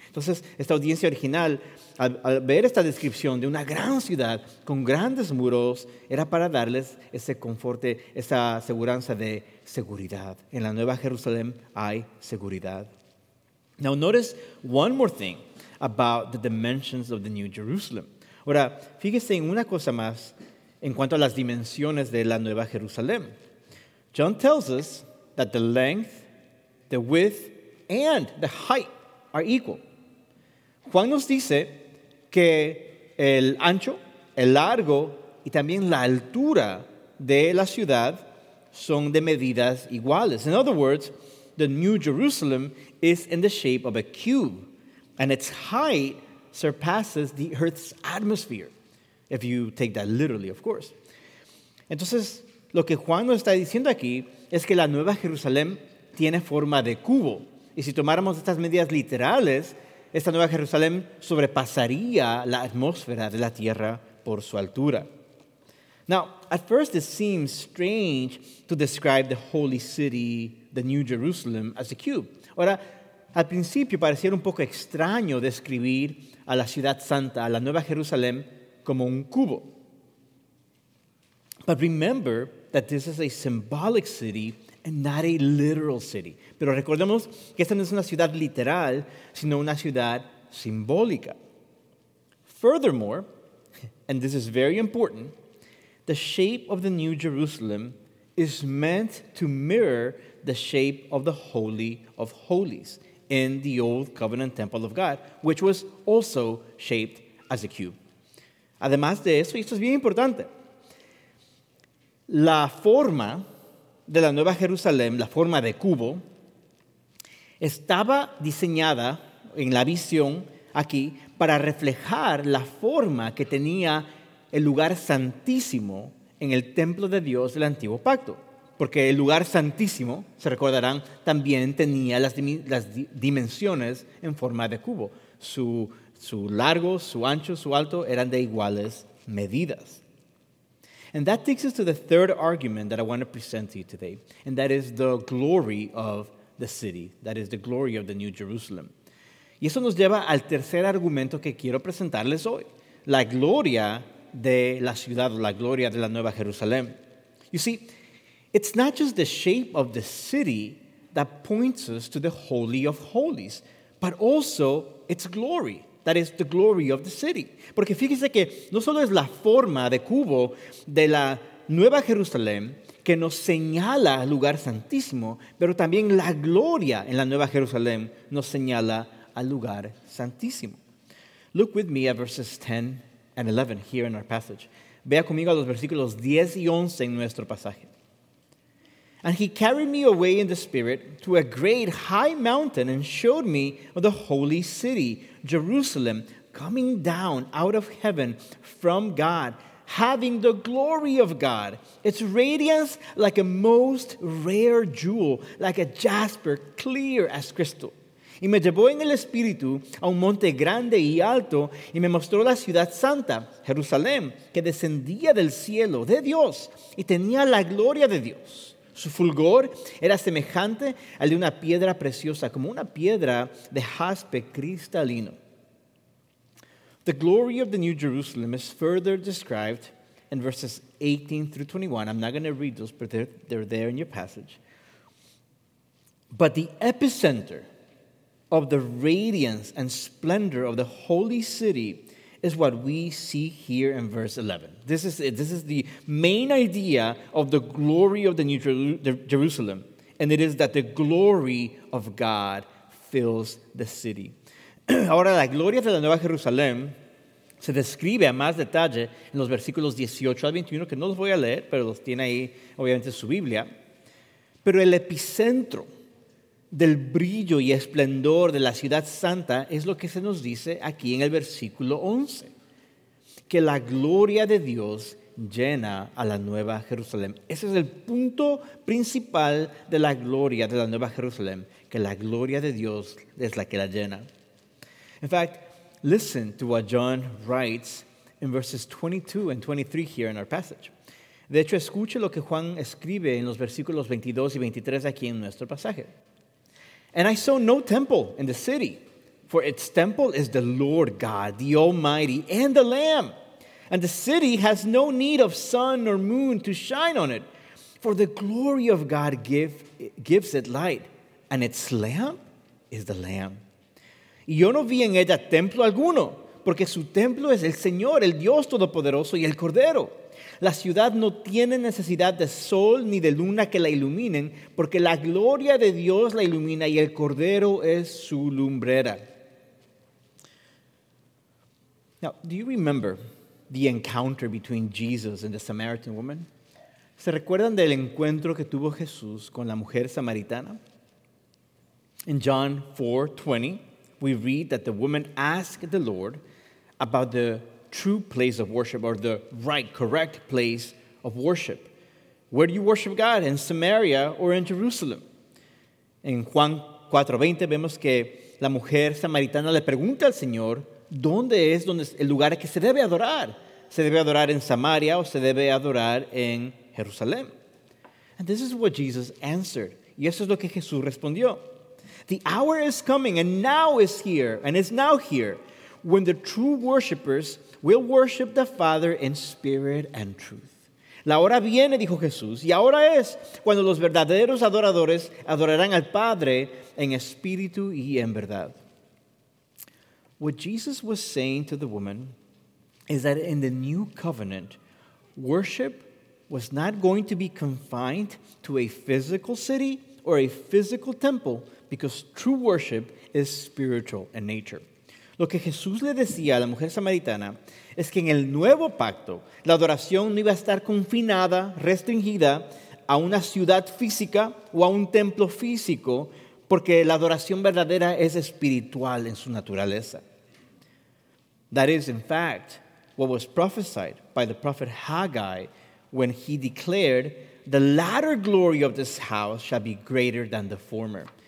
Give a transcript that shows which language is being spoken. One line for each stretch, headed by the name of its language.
Spanish: Entonces, esta audiencia original, al ver esta descripción de una gran ciudad con grandes muros, era para darles ese confort, esa seguridad de seguridad. En la Nueva Jerusalén hay seguridad.
English: Now, notice one more thing about the dimensions of the New Jerusalem.
Spanish: Ahora, fíjese en una cosa más en cuanto a las dimensiones de la Nueva Jerusalén.
English: John tells us that the length, the width, and the height are equal.
Spanish: Juan nos dice que el ancho, el largo, y también la altura de la ciudad son de medidas iguales.
English: In other words, the New Jerusalem is in the shape of a cube, and its height surpasses the Earth's atmosphere, if you take that literally, of course.
Spanish: Entonces, lo que Juan nos está diciendo aquí es que la Nueva Jerusalén tiene forma de cubo. Y si tomáramos estas medidas literales, esta Nueva Jerusalén sobrepasaría la atmósfera de la Tierra por su altura.
English: Now, at first it seems strange to describe the holy city, the New Jerusalem, as a cube.
Spanish: Ahora, al principio pareciera un poco extraño describir a la Ciudad Santa, a la Nueva Jerusalén, como un cubo.
English: But remember that this is a symbolic city and not a literal city.
Spanish: Pero recordemos que esta no es una ciudad literal, sino una ciudad simbólica.
English: Furthermore, and this is very important, the shape of the New Jerusalem is meant to mirror the shape of the Holy of Holies in the Old Covenant Temple of God, which was also shaped as a cube.
Spanish: Además de eso, y esto es bien importante, la forma de la Nueva Jerusalén, la forma de cubo, estaba diseñada en la visión aquí para reflejar la forma que tenía el lugar santísimo en el templo de Dios del Antiguo Pacto. Porque el lugar santísimo, se recordarán, también tenía las dimensiones en forma de cubo. Su largo, su ancho, su alto eran de iguales medidas.
English: And that takes us to the third argument that I want to present to you today. And that is the glory of the city. That is the glory of the New Jerusalem.
Spanish: Y eso nos lleva al tercer argumento que quiero presentarles hoy. La gloria de la ciudad, la gloria de la Nueva Jerusalén.
English: You see, it's not just the shape of the city that points us to the Holy of Holies, but also its glory. That is the glory of the city.
Spanish: Porque fíjese que no solo es la forma de cubo de la Nueva Jerusalén que nos señala el lugar santísimo, pero también la gloria en la Nueva Jerusalén nos señala al lugar santísimo.
English: Look with me at verses 10 and 11 here in our passage.
Spanish: Vea conmigo a los versículos 10 y 11 en nuestro pasaje.
English: And he carried me away in the spirit to a great high mountain and showed me the holy city, Jerusalem, coming down out of heaven from God, having the glory of God, its radiance like a most rare jewel, like a jasper clear as crystal.
Spanish: Y me llevó en el espíritu a un monte grande y alto y me mostró la ciudad santa, Jerusalén, que descendía del cielo de Dios y tenía la gloria de Dios. Su fulgor era semejante al de una piedra preciosa, como una piedra de jaspe cristalino.
English: The glory of the New Jerusalem is further described in verses 18 through 21. I'm not going to read those, but they're there in your passage. But the epicenter of the radiance and splendor of the holy city is what we see here in verse 11. This is it. This is the main idea of the glory of the New Jerusalem, and it is that the glory of God fills the city.
Spanish: Ahora, la gloria de la Nueva Jerusalén se describe a más detalle en los versículos 18 al 21, que no los voy a leer, pero los tiene ahí, obviamente, su Biblia. Pero el epicentro del brillo y esplendor de la ciudad santa es lo que se nos dice aquí en el versículo 11, que la gloria de Dios llena a la Nueva Jerusalén. Ese es el punto principal de la gloria de la Nueva Jerusalén, que la gloria de Dios es la que la llena.
English: In fact, listen to what John writes in verses 22 and 23 here in our passage.
Spanish: De hecho, escuche lo que Juan escribe en los versículos 22 y 23 aquí en nuestro pasaje.
English: And I saw no temple in the city, for its temple is the Lord God, the Almighty, and the Lamb. And the city has no need of sun or moon to shine on it, for the glory of God gives it light, and its lamp is the Lamb.
Spanish: Y yo no vi en ella templo alguno, porque su templo es el Señor, el Dios Todopoderoso y el Cordero. La ciudad no tiene necesidad de sol ni de luna que la iluminen, porque la gloria de Dios la ilumina y el Cordero es su lumbrera.
English: Now, do you remember the encounter between Jesus and the Samaritan woman?
Spanish: ¿Se recuerdan del encuentro que tuvo Jesús con la mujer samaritana?
English: In John 4:20, we read that the woman asked the Lord about the true place of worship, or the right, correct place of worship. Where do you worship God? In Samaria or in Jerusalem?
Spanish: En Juan 4:20 vemos que la mujer samaritana le pregunta al Señor, ¿dónde es donde es el lugar que se debe adorar? ¿Se debe adorar en Samaria o se debe adorar en Jerusalén?
English: And this is what Jesus answered.
Spanish: Y eso es lo que Jesús respondió.
English: The hour is coming and now is here and is now here when the true worshipers will worship the Father in spirit and truth.
Spanish: La hora viene, dijo Jesús, y ahora es cuando los verdaderos adoradores adorarán al Padre en espíritu y en verdad.
English: What Jesus was saying to the woman is that in the new covenant, worship was not going to be confined to a physical city or a physical temple, because true worship is spiritual in nature.
Spanish: Lo que Jesús le decía a la mujer samaritana es que en el nuevo pacto, la adoración no iba a estar confinada, restringida a una ciudad física o a un templo físico, porque la adoración verdadera es espiritual en su naturaleza.
English: That is, in fact, what was prophesied by the prophet Haggai when he declared, "The latter glory of this house shall be greater than the former."